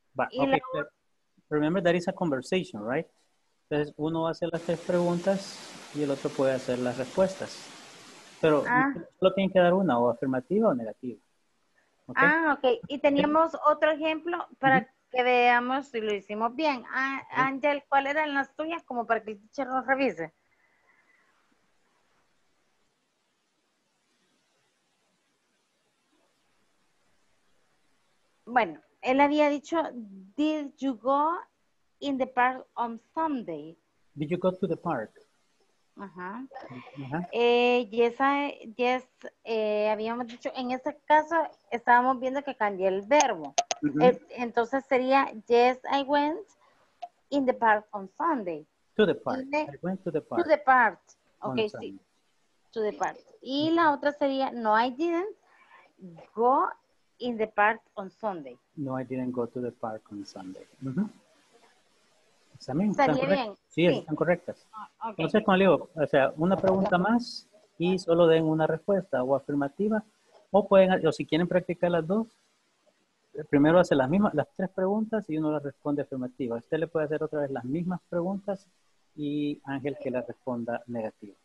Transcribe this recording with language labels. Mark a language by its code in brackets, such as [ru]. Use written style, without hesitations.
[en] But, okay, remember, that is a conversation, right? [es] Entonces, uno hace las tres preguntas y el otro puede hacer las respuestas. Pero solo tiene que dar una, o afirmativa o negativa. Okay. Ah, ok. Y teníamos otro ejemplo para que veamos si lo hicimos bien. Ángel, ¿cuál era la tuya? Como para que el teacher lo revise. Bueno, él había dicho, [en] did you go in the park on Sunday? Did you go to the park? [es] Habíamos dicho, en este caso estábamos viendo que cambié el verbo. Mm-hmm. Entonces sería, [en] yes, I went in the park on Sunday. To the park. I went to the park. To the park. Okay, sí. To the park. [es] Y la otra sería, [en] no, I didn't go in the park on Sunday. No, I didn't go to the park on Sunday. [es] Mm-hmm. También están correctas. Sí, están correctas. Okay. Entonces, como le digo, o sea, una pregunta más y solo den una respuesta o afirmativa. O pueden, o si quieren practicar las dos, primero hace las mismas, las tres preguntas y uno las responde afirmativa. Usted le puede hacer otra vez las mismas preguntas y Ángel que la responda negativa.